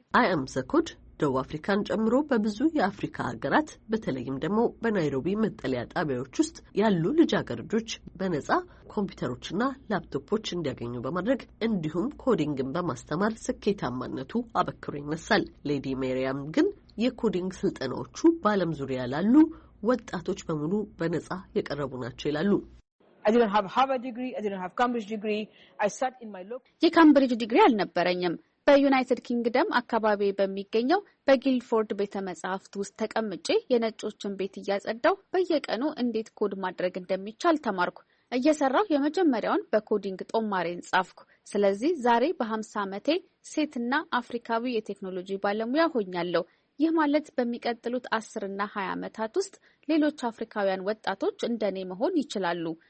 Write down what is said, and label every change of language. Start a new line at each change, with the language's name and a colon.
Amharic: አይ አም ዘ ኮድ ደቡብ አፍሪካን ጨምሮ በብዙ የአፍሪካ ሀገራት በተለይም ደግሞ በናይሮቢ መጠለያ ጣቢያዎች ውስጥ ያሉ ልጃገረዶች በነጻ ኮምፒውተሮችና ላፕቶፖች እንዲያገኙ በማድረግ እንዲሁም ኮዲንግን በማስተማር ስኬታማነቱ አበክሮ ይነሳል። ሌዲ ሜሪያም ግን የኮዲንግ ስልጠናዎቹ በዓለም ዙሪያ ላሉ ወጣቶች በሙሉ በነጻ የቀረቡ ናቸው ይላሉ።
English: I didn't have a Harvard degree, I didn't have a Cambridge degree. I sat in my local
Amharic: የካምብሪጅ ዲግሪ አልነበረኝም። በዩናይትድ ኪንግደም አካባቢ በሚገኘው በጊልፎርድ ቤተ መጻሕፍት ውስጥ ተቀምጬ የነጮችን ቤት እያጸዳሁ በየቀኑ እንዴት ኮድ ማድረግ እንደሚቻል ተማርኩ። እየሰራሁ የመጀመሪያውን በኮዲንግ ጦማሬን ጻፍኩ። ስለዚህ ዛሬ በ50 ዓመቴ ሴትና አፍሪካዊ የቴክኖሎጂ ባለሙያ ሆኛለሁ። ይህ ማለት በሚቀጥሉት 10ና 20 ዓመታት ውስጥ ሌሎች አፍሪካውያን ወጣቶች እንደኔ መሆን ይችላሉ።